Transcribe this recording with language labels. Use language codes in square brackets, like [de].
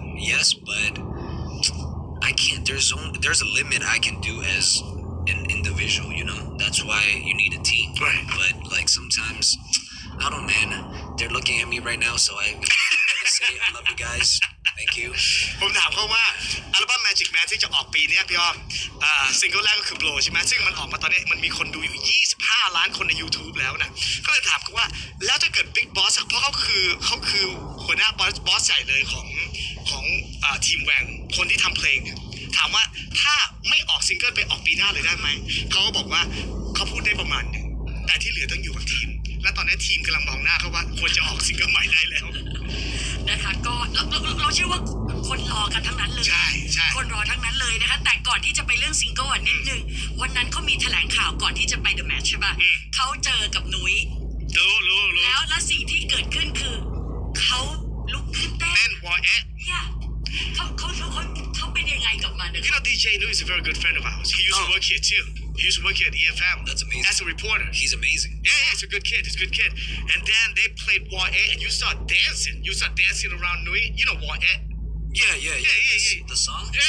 [en] Yes, but I can't. There's a limit I can do as an individual. You know, that's why you need a team. Right. But like sometimes, I don't, man. They're looking at me right now, so I say I love you guys. Thank you. [th] ผมถามเขาว่าอัลบั้ม Magic Man ที่จะออกปีนี้พี่อ้อมซิงเกิลแรกก็คือ Blow ใช่ไหมซึ่งมันออกมาตอนนี้มันมีคนดูอยู่25ล้านคนใน YouTube แล้วนะก็เลยถามเขาว่าแล้วถ้าเกิด Big Boss เพราะเขาคือหัวหน้าบอสใหญ่เลยของทีมแวงคนที่ทำเพลงเนี่ยถามว่าถ้าไม่ออกซิงเกิลไปออกปีหน้าเลยได้ไหมเขาก็บอกว่าเขาพูดได้ประมาณนึงแต่ที่เหลือต้องอยู่กับทีมและตอนนี้ทีมกำลังมองหน้าเขาว่าควรจะออกซิงเกิลใหม่ได้แล้ว นะคะก็เราเชื่อว่าคนรอกันทั้งนั้นเลย ใช่ใช่ คนรอทั้งนั้นเลยนะคะแต่ก่อนที่จะไปเรื่องซิงเกิลนิดนึงวันนั้นเขามีแถลงข่าวก่อนที่จะไปเดอะแมทช์ใช่ป่ะเขาเจอกับนุ้ย รู้ แล้วและสิ่งที่เกิดขึ้นคือเขาลุกขึ้นเต้น แมนวอยเอ็ด เขาเป็นยังไงกับมันนะ คะ [en] You know DJ Nui is a very good friend of ours he used to work here tooHe used to work at EFM. That's amazing. As a reporter. He's amazing. Yeah, he's a good kid. He's a good kid. And then they played War A and you start dancing. You start dancing around Nui. You know War A. Yeah. The song?